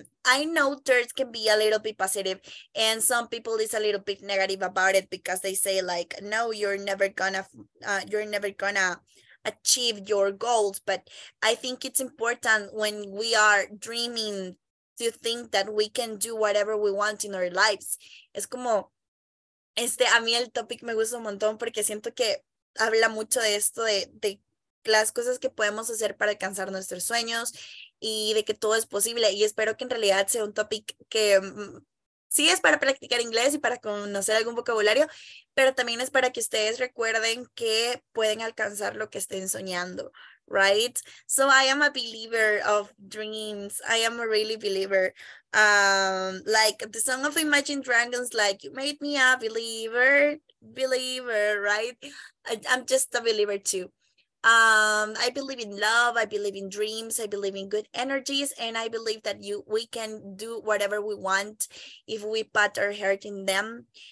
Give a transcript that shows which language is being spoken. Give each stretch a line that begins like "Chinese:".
English: I know thirds can be a little bit positive, and some people is a little bit negative about it, because they say like, no, you're never gonna achieve your goals. But I think it's important when we are dreaming to think that we can do whatever we want in our lives.
Spanish: Es como, a mí el topic me gusta un montón, porque siento que habla mucho de esto, de las cosas que podemos hacer para alcanzar nuestros sueños, y de que todo es posible. Y espero que en realidad sea un topic que sí es para practicar inglés y para conocer algún vocabulario, pero también es para que ustedes recuerden que pueden alcanzar lo que estén soñando, right?
English: So I am a believer of dreams. I am a really believer. Like the song of Imagine Dragons, like, you made me a believer, right? I'm just a believer too. I believe in love, I believe in dreams, I believe in good energies, and I believe that we can do whatever we want if we put our heart in them.